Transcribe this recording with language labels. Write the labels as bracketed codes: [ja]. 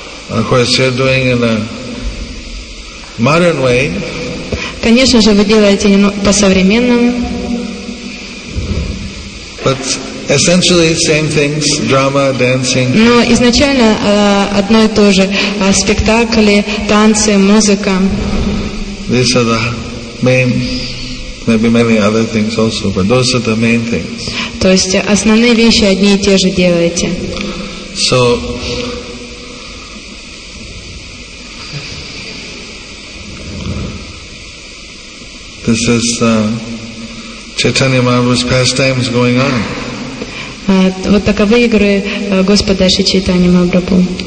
[en] Of course, you're doing in a modern way. [ru] Конечно же, вы делаете по-современному. [en] But essentially same things, drama, dancing. [ru] Но изначально одно и то же. Спектакли, танцы, музыка. [en] These are the main, maybe many other things also, but those are the main things. [ru] То есть основные вещи одни и те же делаете. [en] So This is Chaitanya Mahaprabhu's pastimes going on. [ru] Вот таковы игры Господа Шри Чайтаньи Махапрабху.